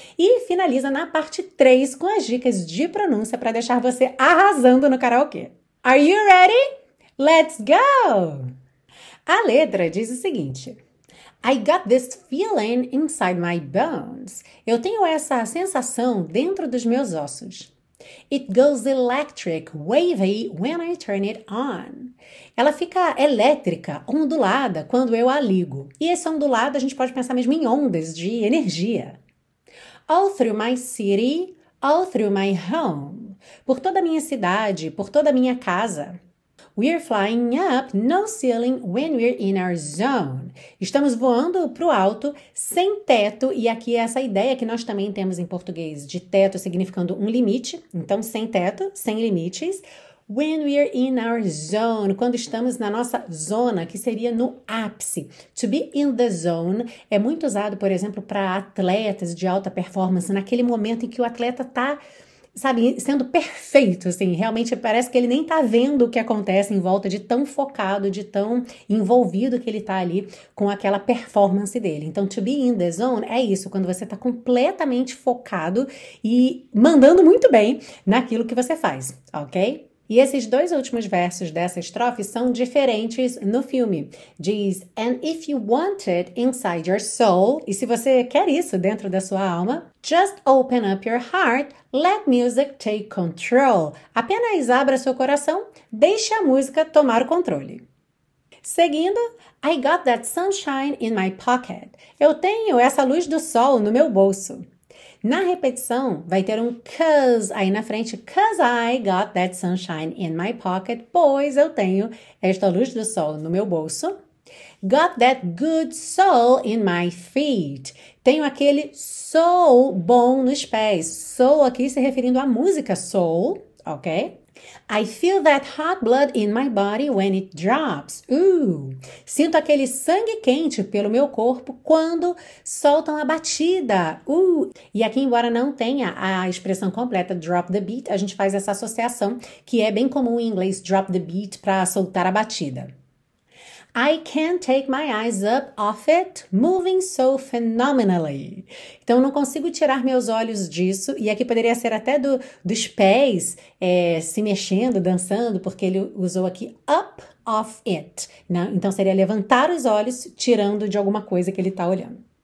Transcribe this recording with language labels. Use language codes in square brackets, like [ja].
[pt] E finaliza na parte 3, com as dicas de pronúncia para deixar você arrasando no karaokê. [en] Are you ready? Let's go! [pt] A letra diz o seguinte... [en] I got this feeling inside my bones. [pt] Eu tenho essa sensação dentro dos meus ossos. [en] It goes electric, wavy when I turn it on. [pt] Ela fica elétrica, ondulada quando eu a ligo. E esse ondulado a gente pode pensar mesmo em ondas de energia. [en] All through my city, all through my home. [pt] Por toda a minha cidade, por toda a minha casa. [en] We're flying up, no ceiling, when we're in our zone. [pt] Estamos voando para o alto, sem teto, e aqui essa ideia que nós também temos em português de teto significando um limite, então sem teto, sem limites. [en] When we're in our zone, [pt] quando estamos na nossa zona, que seria no ápice. [en] To be in the zone [pt] é muito usado, por exemplo, para atletas de alta performance, naquele momento em que o atleta está... Sabe, sendo perfeito, assim, realmente parece que ele nem tá vendo o que acontece em volta, de tão focado, de tão envolvido que ele tá ali com aquela performance dele. Então, [en] to be in the zone [pt] é isso, quando você tá completamente focado e mandando muito bem naquilo que você faz, ok? E esses dois últimos versos dessa estrofe são diferentes no filme. Diz, [en] and if you want it inside your soul, [pt] e se você quer isso dentro da sua alma, [en] just open up your heart, let music take control. [pt] Apenas abra seu coração, deixe a música tomar o controle. Seguindo, [en] I got that sunshine in my pocket. [pt] Eu tenho essa luz do sol no meu bolso. Na repetição, vai ter um 'cause aí na frente, [en] 'cause I got that sunshine in my pocket, [pt] pois eu tenho esta luz do sol no meu bolso. [en] Got that good soul in my feet. [pt] Tenho aquele soul bom nos pés. Soul aqui se referindo à música soul, ok? [en] I feel that hot blood in my body when it drops. [pt] Sinto aquele sangue quente pelo meu corpo quando soltam a batida. E aqui, embora não tenha a expressão completa [en] drop the beat, [pt] a gente faz essa associação que é bem comum em inglês, drop the beat, para soltar a batida. [en] I can't take my eyes up off it, moving so phenomenally. [pt] Então, não consigo tirar meus olhos disso, e aqui poderia ser até dos pés se mexendo, dançando, porque ele usou aqui [en] up off it. [pt] Né? Então, seria levantar os olhos, tirando de alguma coisa que ele está olhando.